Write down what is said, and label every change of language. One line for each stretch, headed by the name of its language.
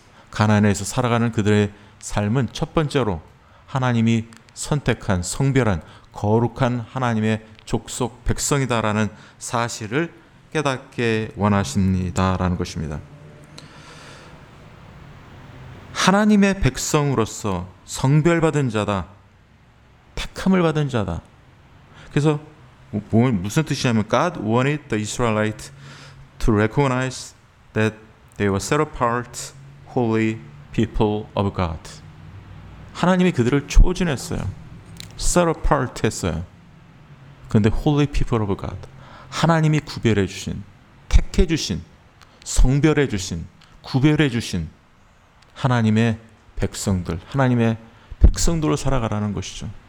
Korean: 가나안에서 살아가는 그들의 삶은 첫 번째로 하나님이 선택한 성별한 거룩한 하나님의 족속 백성이다라는 사실을 깨닫게 원하십니다라는 것입니다. 하나님의 백성으로서 성별받은 자다. 택함을 받은 자다. 그래서 무슨 뜻이냐면
English: God wanted the Israelites to recognize that they were set apart holy people of God.
Korean: 하나님이 그들을 초진했어요. set apart 했어요. 그런데
English: holy people of God,
Korean: 하나님이 구별해 주신, 택해 주신, 성별해 주신, 구별해 주신 하나님의 백성들, 하나님의 백성들로 살아가라는 것이죠.